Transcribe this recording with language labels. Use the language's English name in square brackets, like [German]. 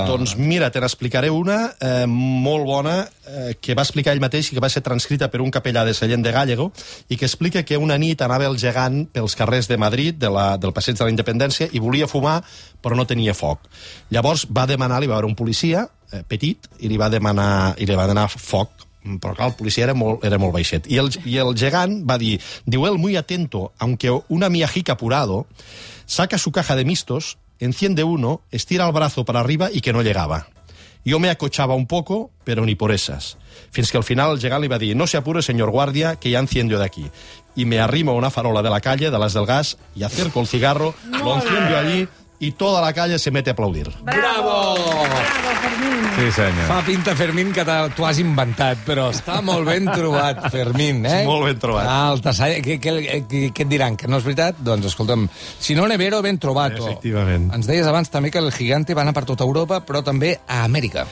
[Catalan] Doncs mira, te n'explicaré una molt bona que va explicar ell mateix i que va ser transcrita per un capellà de Sallent de Gállego i que explica que una nit anava el gegant pels carrers de Madrid, del Passeig de la Independència, i volia fumar, però no tenia foc. Llavors va demanar, li va veure un policia petit, i li va demanar foc. però clar, el policia era molt baixet. I el gegant va dir, diu [Spanish] el muy atento, aunque una miajica apurado, saca su caja de mistos, enciende uno, estira el brazo para arriba y que no llegaba. Yo me acochaba un poco, pero ni por esas. [Catalan] Fins que al final el gegant li va dir, [Spanish] no se apure, señor guardia, que ya enciendo de aquí. Y me arrimo a una farola de la calle, de las del gas, y acerco el cigarro, lo enciendo allí, y toda la calle se mete a aplaudir. ¡Bravo! Fermín. [Catalan] Sí, senyor. Fa pinta, Fermín, que t'ho has inventat, però està molt ben trobat, Fermín, eh? Molt ben trobat. Ah, el tassall, què et diran, que no és veritat? Doncs escolta'm, [Italian] si no n'è vero, [Catalan] ben trobat. Efectivament. Ens deies abans també que el Gigante va anar per tota Europa, però també a Amèrica.